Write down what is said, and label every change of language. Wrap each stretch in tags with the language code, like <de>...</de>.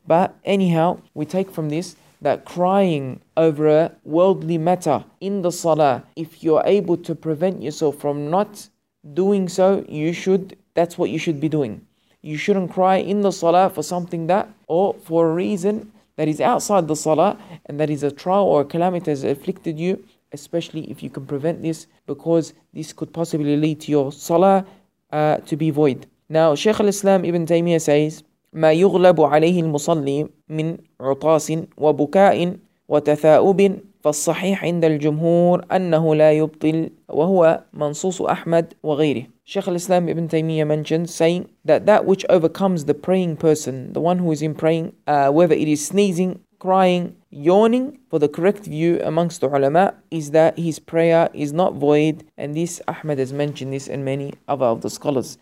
<en>But anyhow, we take from this that crying over a worldly matter in the salah, if you're able to prevent yourself from not doing so, that's what you should be doing. You shouldn't cry in the salah for something that, or for a reason that is outside the salah, and that is a trial or a calamity that has afflicted you, especially if you can prevent this, because this could possibly lead to your salah to be void. Now, Shaykh al-Islam Ibn Taymiyyah says,</en> <ar>مَا يُغْلَبُ عَلَيْهِ الْمُصَلِّي مِنْ عُطَاسٍ وَبُكَاءٍ وَتَثَاؤُبٍ فَالصَّحِيحِ عِنْدَ الْجُمْهُورِ أَنَّهُ لَا يُبْطِلْ وَهُوَ مَنْصُوصُ أَحْمَدْ وَغَيْرِهِ.</ar> <en>Shaykh al-Islam Ibn Taymiyyah mentions, saying that which overcomes the praying person, the one who is in praying, whether it is sneezing, crying, yawning, for the correct view amongst the ulama is that his prayer is not void. And this, Ahmad has mentioned this and many other of the scholars.</en>